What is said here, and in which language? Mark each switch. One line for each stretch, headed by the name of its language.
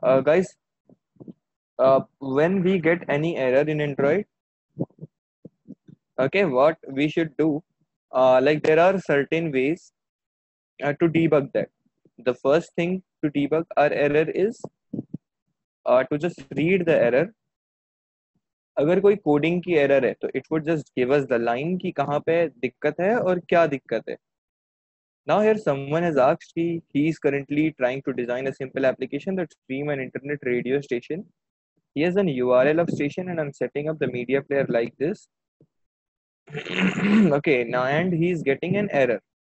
English: Guys, when we get any error in Android, okay, what we should do, like there are certain ways to debug that. The first thing to debug our error is to just read the error.
Hindi: अगर कोई coding की error है तो
English: it would just give us the line
Hindi: कि कहाँ पे दिक्कत है और क्या दिक्कत है.
English: Now here someone has asked कि he is currently trying to design a simple application that stream an internet radio station. He has an URL of station and I'm setting up the media player like this. Okay, now and he is getting an error.